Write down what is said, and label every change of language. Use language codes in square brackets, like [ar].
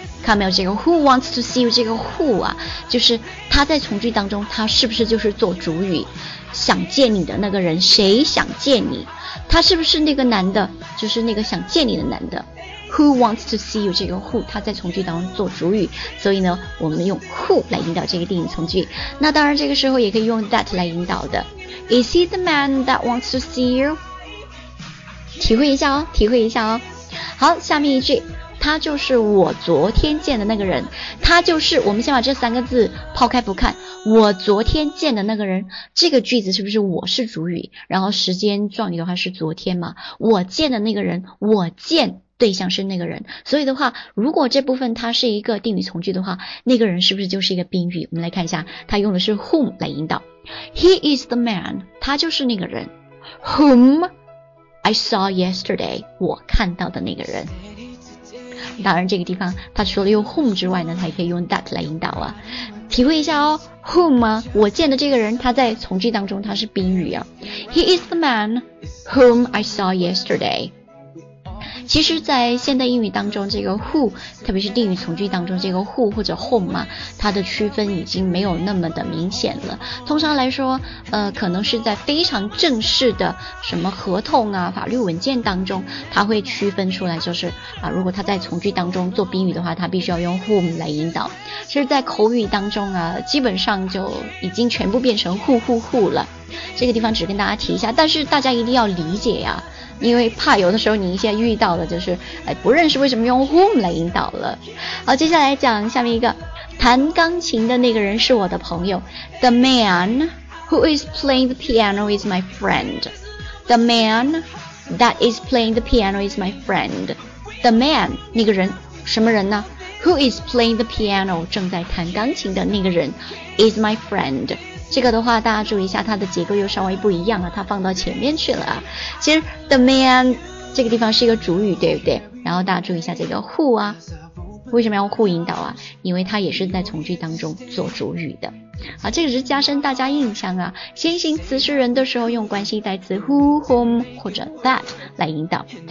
[zh] 看没有，这个 [en] who wants to see you [zh] 这个 who 啊，就是他在从句当中他是不是就是做主语，想见你的那个人，谁想见你，他是不是那个男的，就是那个想见你的男的。 [en] Who wants to see you [zh] 这个 who 它在从句当中做主语，所以呢我们用 who 来引导这个定语从句。那当然这个时候也可以用 that 来引导的。 [en] Is he the man that wants to see you? [zh] 体会一下哦，体会一下哦。好，下面一句，他就是我昨天见的那个人。他就是，我们先把这三个字抛开不看，我昨天见的那个人，这个句子是不是我是主语，然后时间状语的话是昨天嘛，我见的那个人，我见对象是那个人，所以的话如果这部分它是一个定语从句的话，那个人是不是就是一个宾语。我们来看一下，它用的是 whom 来引导。 [en] He is the man, [zh] 他就是那个人。 [en] Whom I saw yesterday, [zh] 我看到的那个人。当然这个地方它除了用 whom 之外呢，它也可以用 that 来引导啊。体会一下哦， whom 啊，我见的这个人，他在从句当中他是宾语啊。 [en] He is the man whom I saw yesterday。 [zh] 其实在现代英语当中，这个 who 特别是定语从句当中，这个 who 或者 whom 啊，它的区分已经没有那么的明显了。通常来说可能是在非常正式的什么合同啊法律文件当中，它会区分出来，就是如果它在从句当中做宾语的话，它必须要用 whom 来引导。其实在口语当中啊，基本上就已经全部变成 who 了。这个地方只跟大家提一下，但是大家一定要理解呀，因为怕有的时候你一下遇到了就是不认识，为什么用 whom 来引导了。好，接下来讲下面一个，弹钢琴的那个人是我的朋友。 [en] The man who is playing the piano is my friend. The man that is playing the piano is my friend. [zh] The man 那个人，什么人呢？ [en] Who is playing the piano [zh] 正在弹钢琴的那个人 [en] is my friend。 [zh] 这个的话大家注意一下，它的结构又稍微不一样了，它放到前面去了啊。其实 the man 这个地方是一个主语，对不对？然后大家注意一下这个 who 啊，为什么要 who 引导啊？因为它也是在从句当中做主语的啊。这个是加深大家印象啊，先行词是人的时候用关系代词 who, whom 或者 that 来引导。